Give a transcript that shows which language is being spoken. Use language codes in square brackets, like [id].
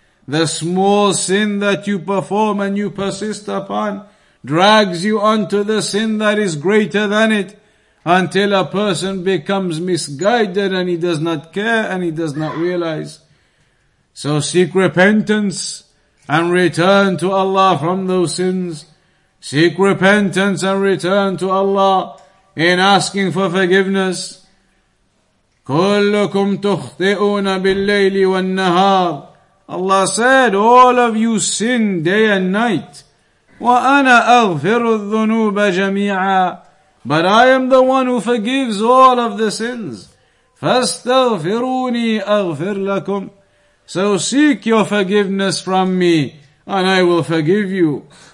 [en] The small sin that you perform and you persist upon drags you onto the sin that is greater than it, until a person becomes misguided and he does not care and he does not realize. So seek repentance and return to Allah from those sins. Seek repentance and return to Allah in asking for forgiveness. [ar] كلكم تخطئون بالليل والنهار. [en] Allah said, all of you sin day and night. [ar] وَأَنَا أَغْفِرُ الذُّنُوبَ جَمِيعًا. [en] But I am the one who forgives all of the sins. [ar] فَاسْتَغْفِرُونِي أَغْفِرْ لَكُمْ. [en] So seek your forgiveness from me, and I will forgive you.